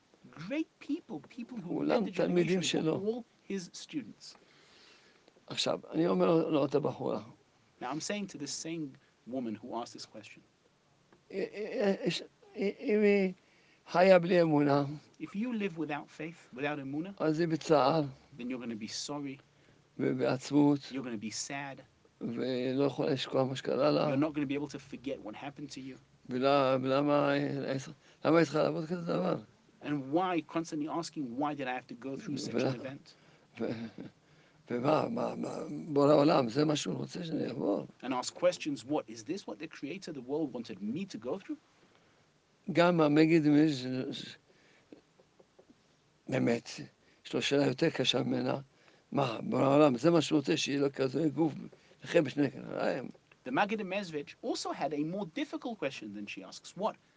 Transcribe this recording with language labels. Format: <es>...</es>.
<en>Great people, people who led the generation, all his students.</en> <he>עכשיו, אני אומר לאותה בחורה.</he> <en>Now I'm saying to the same woman who asked this question.</en> <he>אם היא חיה בלי אמונה.</he> <en>If you live without faith, without emunah,</en> <he>אז היא בצער.</he> <en>Then you're going to be sorry.</en> <he>ובעצבות.</he> <en>You're going to be sad.</en> <he>ולא יכולה לשכוח מה שקרה לה.</he> <en>You're not going to be able to forget what happened to you.</en> <he>ולמה היא צריכה לעבוד כזה דבר?</he> <en>And why, constantly asking, why did I have to go through such an event? And ask questions, what is this what the creator of the world wanted me to go through? The Magid of Mezritch also had a more difficult question than she asks. What?</en>